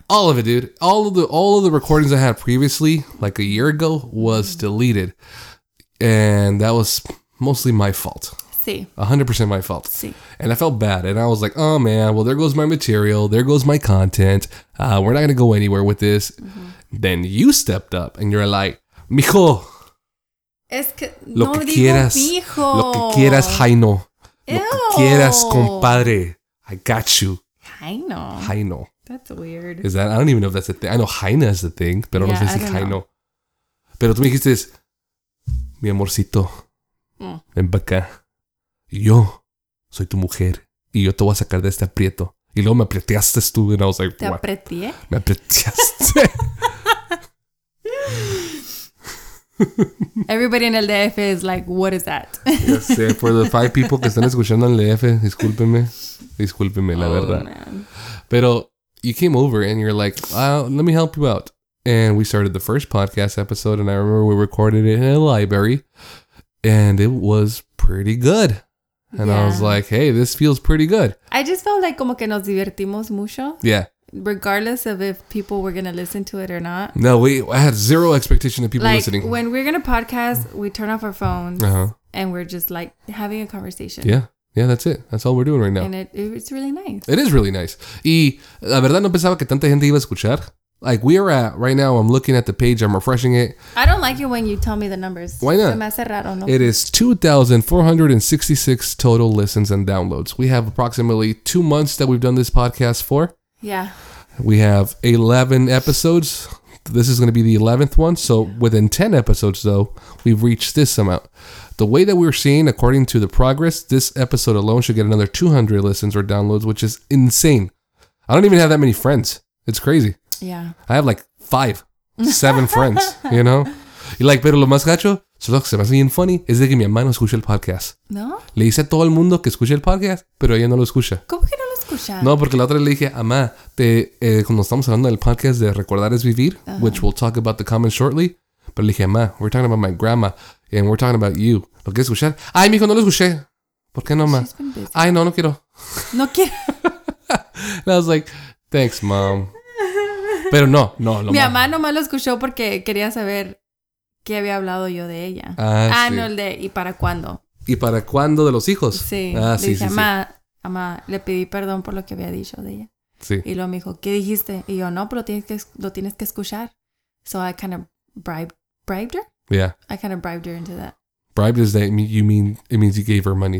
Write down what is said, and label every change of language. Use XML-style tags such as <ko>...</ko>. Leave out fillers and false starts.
<en>All of it, dude. All of the recordings I had previously, like a year ago, was deleted. And that was mostly my fault. See. 100% my fault. See. And I felt bad. And I was like, oh, man, well, there goes my material. There goes my content. We're not going to go anywhere with this. Mm-hmm. Then you stepped up and you're like, mijo.</en> <es>Es que lo no que digo quieras, mijo. Lo que quieras, Jaino. Lo que quieras, compadre.</es> <en>I got you. Jaino. That's weird. Is that? I don't even know if that's a thing. I know Jaina is a thing.</en> <es>Pero yeah, no sé si Jaino. Pero tú me dijiste, mi amorcito. Ven para acá. Yo soy tu mujer y yo te voy a sacar de este aprieto. Y luego me apreteaste tú,</es> <en>and I was like,</en> <es>¿te what? Apreté? Me apreteaste.</es> <en>Everybody in el DF is like, what is that? Yes, yeah, for the five people</en> <es>que están escuchando en el DF, discúlpenme. Discúlpenme, la verdad. Man.</es> <en>Pero you came over and you're like, let me help you out. And we started the first podcast episode, and I remember we recorded it in a library, and it was pretty good. And yeah. I was like, hey, this feels pretty good. I just felt like</en> <es>como que nos divertimos mucho.</es> <en>Yeah. Regardless of if people were going to listen to it or not. No, I had zero expectation of people like, listening. When we're going to podcast, we turn off our phones uh-huh. and we're just like having a conversation. Yeah. Yeah, that's it. That's all we're doing right now. And it's really nice. It is really nice.</en> <es>Y la verdad no pensaba que tanta gente iba a escuchar.</es> <en>Like, we are at, right now, I'm looking at the page, I'm refreshing it. I don't like it when you tell me the numbers. Why not?</en> <es>Se me hace raro, ¿no?</es> <en>It is 2,466 total listens and downloads. We have approximately 2 months that we've done this podcast for. Yeah. We have 11 episodes. This is going to be the 11th one. So, within 10 episodes, though, we've reached this amount. The way that we're seeing, according to the progress, this episode alone should get another 200 listens or downloads, which is insane. I don't even have that many friends. It's crazy. Yeah. I have like 5-7 friends, you know?</en> <es>Y like, pero lo más gacho, solo que se me hace bien funny, es de que mi hermano escucha el podcast. ¿No? Le dice a todo el mundo que escuche el podcast, pero ella no lo escucha. ¿Cómo que no lo escucha? No, porque la otra le dije, amá, cuando estamos hablando del podcast de Recordar es Vivir, uh-huh.</es> <en>which we'll talk about the comments shortly,</en> <es>pero le dije, amá,</es> <en>we're talking about my grandma, and we're talking about you.</en> <es>¿Lo quieres escuchar? Ay, mijo, no lo escuché. ¿Por qué no, amá? Ay, no, no quiero. No quiero.</es> <en>And I was like, thanks, mom.</en> <es>Pero no, no. Lo mi mamá nomás lo escuchó porque quería saber qué había hablado yo de ella. Ah, ah sí. No, el de ¿y para cuándo? ¿Y para cuándo de los hijos? Sí. Ah, le sí, dije, sí, mamá, sí. Mamá, le pedí perdón por lo que había dicho de ella. Sí. Y luego me dijo, ¿qué dijiste? Y yo, no, pero lo tienes que escuchar.</es> <en>So I kind of bribed her. Yeah. I kind of bribed her into that. Bribed is that you mean, it means you gave her money.</en>